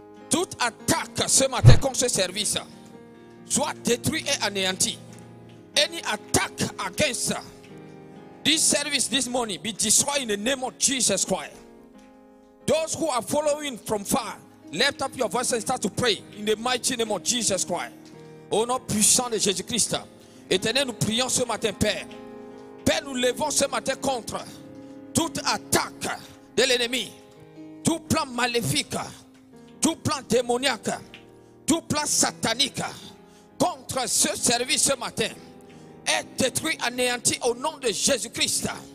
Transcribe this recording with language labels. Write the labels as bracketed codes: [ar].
[fr] Toute attaque ce matin contre ce service soit détruite et anéantie. [en] Any attack against this service this morning be destroyed in the name of Jesus Christ. Those who are following from far, lift up your voice and start to pray in the mighty name of Jesus Christ. [fr] Au nom puissant de Jésus-Christ, Éternel, nous prions ce matin, Père. Père, nous levons ce matin contre toute attaque de l'ennemi. Tout plan maléfique, tout plan démoniaque, tout plan satanique contre ce service ce matin est détruit, anéanti au nom de Jésus-Christ.